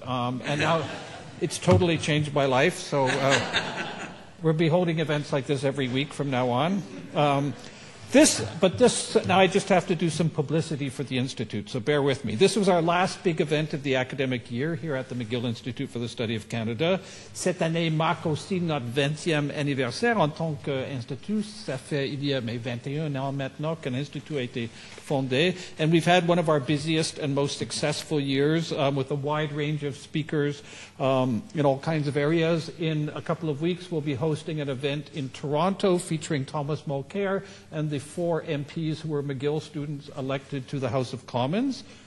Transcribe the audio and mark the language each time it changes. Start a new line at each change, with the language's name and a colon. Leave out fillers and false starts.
English: And now it's totally changed my life. So we'll be holding events like this every week from now on. Now I just have to do some publicity for the Institute, so bear with me. This was our last big event of the academic year here at the McGill Institute for the Study of Canada.
French: Cette année marque aussi notre 20e anniversaire en tant qu'institut. Ça fait il y a 21 ans maintenant qu'un institut a été fondé.
English: And we've had one of our busiest and most successful years with a wide range of speakers in all kinds of areas. In a couple of weeks, we'll be hosting an event in Toronto featuring Thomas Mulcair and the four MPs who were McGill students elected to the House of Commons.